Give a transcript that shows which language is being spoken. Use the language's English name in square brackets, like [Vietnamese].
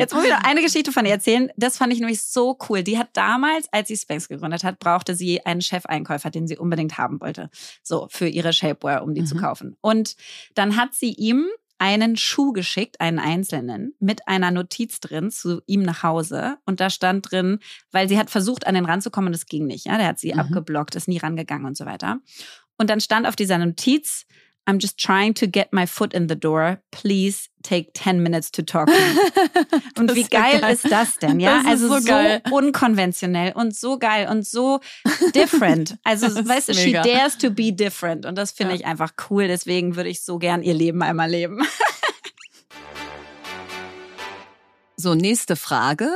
[German] Jetzt muss ich noch eine Geschichte von ihr erzählen. Das fand ich nämlich so cool. Die hat damals, als sie Spanx gegründet hat, brauchte sie einen Chefeinkäufer, den sie unbedingt haben wollte. So, für ihre Shapewear, um die zu kaufen. Und dann hat sie ihm einen Schuh geschickt, einen einzelnen, mit einer Notiz drin zu ihm nach Hause. Und da stand drin, weil sie hat versucht, an den ranzukommen, das ging nicht. Ja? Der hat sie abgeblockt, ist nie rangegangen und so weiter. Und dann stand auf dieser Notiz, [English] I'm just trying to get my foot in the door. Please take 10 minutes to talk to me. [German] Und wie geil ist das denn? Ja, das ist also so geil. Unkonventionell und so geil und so different. Also, weißt du, [English] she dares to be different. [German] Und das finde ich einfach cool. Deswegen würde ich so gern ihr Leben einmal leben. So, nächste Frage.